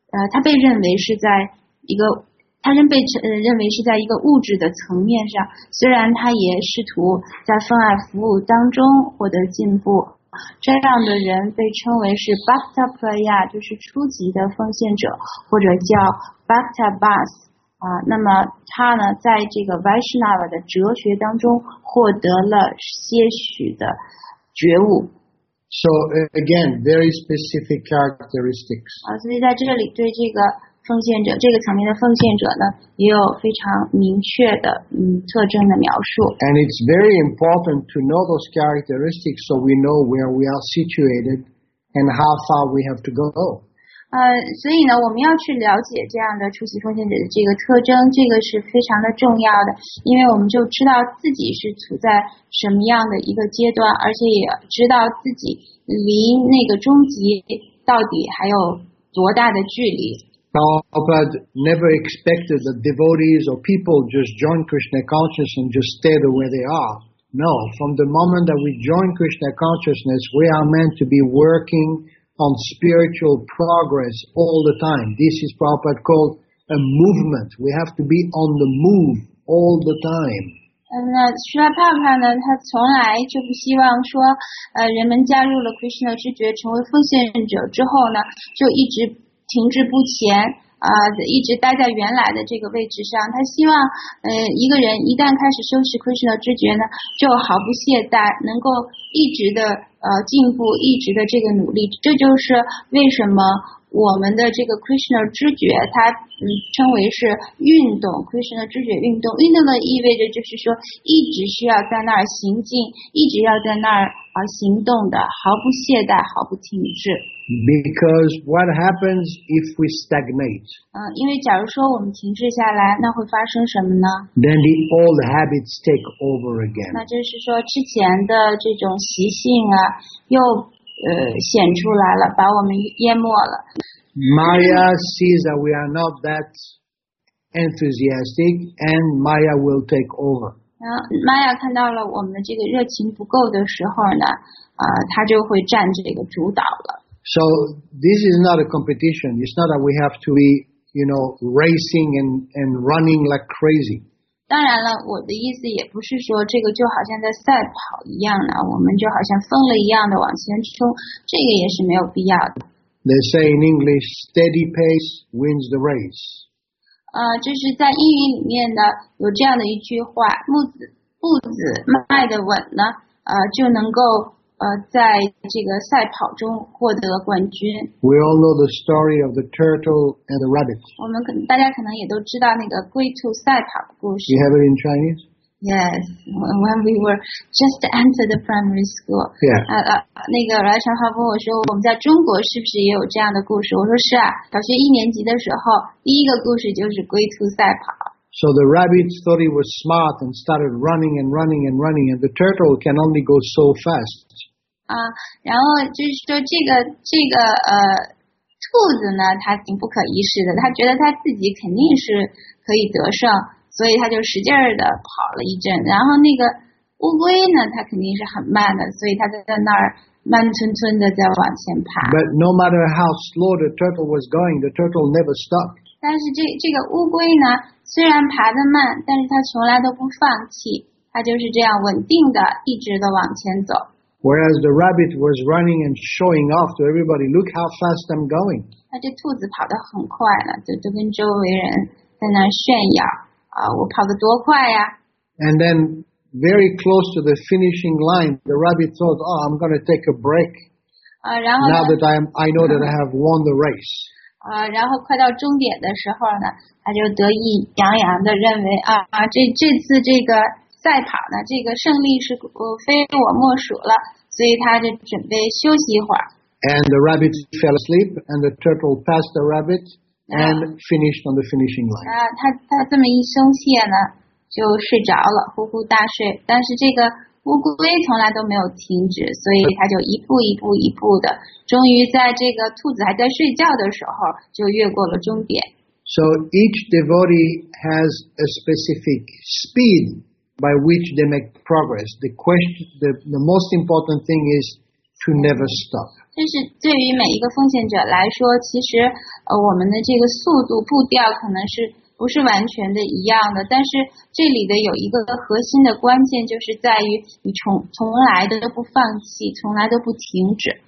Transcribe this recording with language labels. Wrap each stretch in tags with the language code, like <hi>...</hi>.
<zh>他被认为是在一个物质的层面上，虽然他也试图在奉爱服务当中获得进步，这样的人被称为是 Bhakta Praya， 就是初级的奉献者，或者叫 Bhakta Bas 那么他呢，在这个 Vaishnava 的哲学当中获得了些许的觉悟。</zh> <en>So again, very specific characteristics.</en> <zh>所以在这里对这个。奉献者这个层面的奉献者呢，也有非常明确的特征的描述。</zh> <en>And it's very important to know those characteristics so we know where we are situated and how far we have to go.</en> <zh>所以呢，我们要去了解这样的出席奉献者的这个特征，这个是非常的重要的，因为我们就知道自己是处在什么样的一个阶段，而且也知道自己离那个终极到底还有多大的距离。</zh> <en>Prabhupada never expected that devotees or people just join Krishna consciousness and just stay the way they are. No, from the moment that we join Krishna consciousness, we are meant to be working on spiritual progress all the time. This is Prabhupada called a movement. We have to be on the move all the time.</en> <zh>那虽然帕帕呢，他从来就不希望说，人们加入了 Krishna 知觉，成为奉献者之后呢，就一直。停滞不前一直待在原来的这个位置上他希望一个人一旦开始修习 Krishna 知觉呢就毫不懈怠能够一直的进步一直的这个努力这就是为什么我们的这个 Krishna 知觉，它称为是运动 ，Krishna 知觉运动。运动的意味着就是说，一直需要在那儿行进，一直要在那儿行动的，毫不懈怠，毫不停滞。</zh> <en>Because what happens if we stagnate?</en> <zh>因为假如说我们停滞下来，那会发生什么呢</zh> <en>？Then the old habits take over again.</en> <zh>那就是说之前的这种习性啊，又显出来了，把我们淹没了。</zh> <en>Maya sees that we are not that enthusiastic, and Maya will take over.</en> <zh>Maya 看到了我们的这个热情不够的时候呢，他就会占这个主导了。</zh> <en>So this is not a competition. It's not that we have to be, you know, racing and running like crazy.</en> <zh>当然了，我的意思也不是说这个就好像在赛跑一样呢，我们就好像疯了一样的往前冲，这个也是没有必要的。</zh> <en>They say in English, steady pace wins the race.</en> <zh>就是在英语里面呢，有这样的一句话，步子迈得稳呢，就能够在这个赛跑中获得冠军。</zh> <en>We all know the story of the turtle and the rabbit.</en> <zh>我们大家可能也都知道那个龟兔赛跑的故事。</zh> <en>You have it in Chinese? Yes, when we were just entered the primary school. Yeah.</en> <zh>那个来长浩跟我说，我们在中国是不是也有这样的故事？我说是啊，小学一年级的时候，第一个故事就是龟兔赛跑。</zh> <en>So the rabbit thought he was smart and started running and running and running, and the turtle can only go so fast.</en> <zh>然后就是说这个兔子呢，它挺不可一世的，它觉得它自己肯定是可以得胜，所以它就使劲儿的跑了一阵。然后那个乌龟呢，它肯定是很慢的，所以它就在那儿慢吞吞的在往前爬。</zh> <en>But no matter how slow the turtle was going, the turtle never stopped.</en> <zh>但是这个乌龟呢，虽然爬得慢，但是它从来都不放弃，它就是这样稳定的，一直的往前走。</zh> <en>Whereas the rabbit was running and showing off to everybody, look how fast I'm going.</en> <zh>那这兔子跑得很快了，就跟周围人在那炫耀啊，我跑得多快呀。</zh> <en>And then very close to the finishing line, the rabbit thought, "Oh, I'm going to take a break."</en> <zh>然后呢</zh> <en>now that I know that I have won the race.</en> <zh>然后快到终点的时候呢，他就得意洋洋的认为这次这个赛跑呢，这个胜利是非我莫属了，所以他就准备休息一会儿。</zh> <en>And the rabbit fell asleep, and the turtle passed the rabbit and finished on the finishing line.</en> <zh>他这么一松懈呢，就睡着了，呼呼大睡。但是这个乌龟从来都没有停止，所以它就一步一步一步的，终于在这个兔子还在睡觉的时候，就越过了终点。</zh> <en>So each devotee has a specific speed by which they make progress. The question, the most important thing is to never stop.</en> <zh>就是对于每一个奉献者来说，其实我们的这个速度步调可能是。不是完全的一样的，但是这里的有一个核心的关键，就是在于你从来的都不放弃，从来都不停止。</zh>